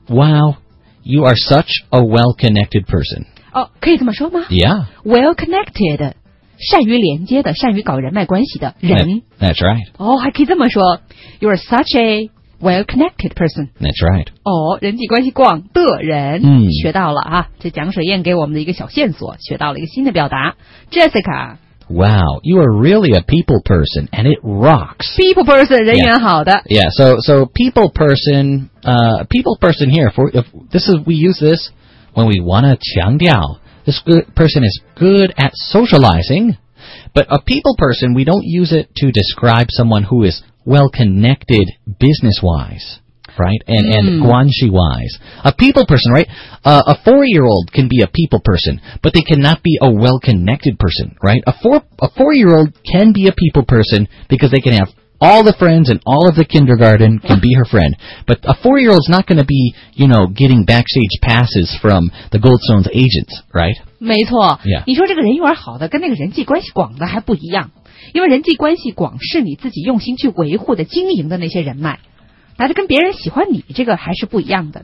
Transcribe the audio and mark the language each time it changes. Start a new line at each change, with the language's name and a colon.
English: Wow, you are such a well-connected person.
Chinese: 哦，可以这么说吗
English: ？Yeah,
Chinese: well connected, 善于连接的，善于搞人脉关系的人。
English: That's right.
Chinese: 哦，还可以这么说
English: ，You are such a well connected person. That's right.
Chinese: 哦，人际关系广的人，嗯，学到了啊！这蒋水燕给我们的一个小线索，学到了一个新的表达。
English: Jessica, Wow, you are really a people person, and it rocks.
Chinese: People person, 人缘好的。
English: Yeah, so people person, people person here for if this is we use this. When we want to 强调, this good person is good at socializing, but a people person, we don't use it to describe someone who is well-connected business-wise, right? And,and 关系 wise. A people person, right? A four-year-old can be a people person, but they cannot be a well-connected person, right? A four-year-old can be a people person because they can have all the friends and all of the kindergarten can be her friend. But a four-year-old is not going to be, you know, getting backstage passes from the Goldstone's agents, right?
Chinese: 没错。
English: Yeah.
Chinese: 你说这个人缘好的跟那个人际关系广的还不一样。因为人际关系广是你自己用心去维护的经营的那些人脉。但是跟别人喜欢你这个还是不一样的。